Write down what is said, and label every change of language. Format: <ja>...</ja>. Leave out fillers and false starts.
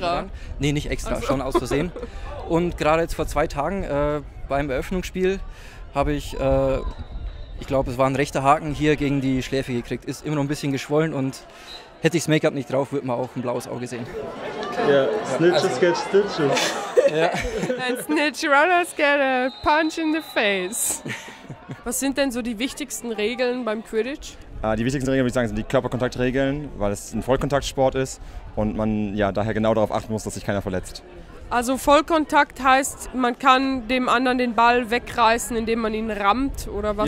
<de>Schön hier unten dran. Nee, nicht extra, also. Schon aus Versehen. Und gerade jetzt vor 2 Tagen beim Eröffnungsspiel habe ich, ich glaube es war ein rechter Haken, hier gegen die Schläfe gekriegt, ist immer noch ein bisschen geschwollen und hätte ich das Make-up nicht drauf, würde man auch ein blaues Auge sehen.</de> <en>Ja, Snitches get stitches.</en> <de>Ja.</de> <en>And snitch runners get a punch in the face.</en> <de>Was sind denn so die wichtigsten Regeln beim Quidditch? Die wichtigsten Regeln, würde ich sagen, sind die Körperkontaktregeln, weil es ein Vollkontaktsport ist und man ja daher genau darauf achten muss, dass sich keiner verletzt. Also Vollkontakt heißt, man kann dem anderen den Ball wegreißen, indem man ihn rammt oder was?</de>